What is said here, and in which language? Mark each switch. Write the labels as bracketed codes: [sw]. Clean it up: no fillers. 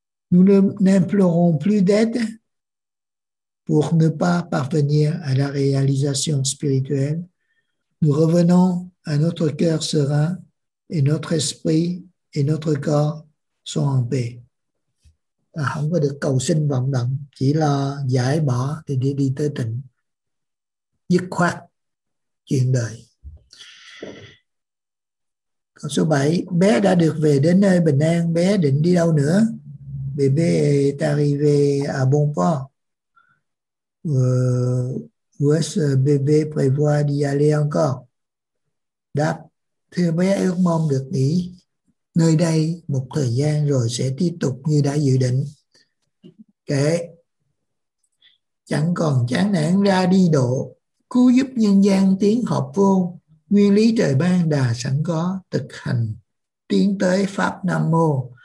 [fr] Nous n'implorons plus d'aide pour ne pas parvenir à la réalisation spirituelle. Nous revenons à notre cœur serein et notre esprit et notre corps sont en paix. [vi] Ta không có được cầu sinh vọng động, chỉ là giải bỏ thì đi tới tịnh, dứt khoát chuyện đời. Câu số 7, bé đã được về đến nơi bình an, bé định đi đâu nữa? [fr] Bébé est arrivé à bon port. Où est-ce bébé prévoit d'y aller encore? [vi] Đáp, thưa bé ước mong được nghỉ nơi đây một thời gian rồi sẽ tiếp tục như đã dự định. Kể, chẳng còn chán nản ra đi độ, cứu giúp nhân gian tiến học vô, nguyên lý trời ban đà sẵn có, thực hành tiến tới pháp Nam Mô.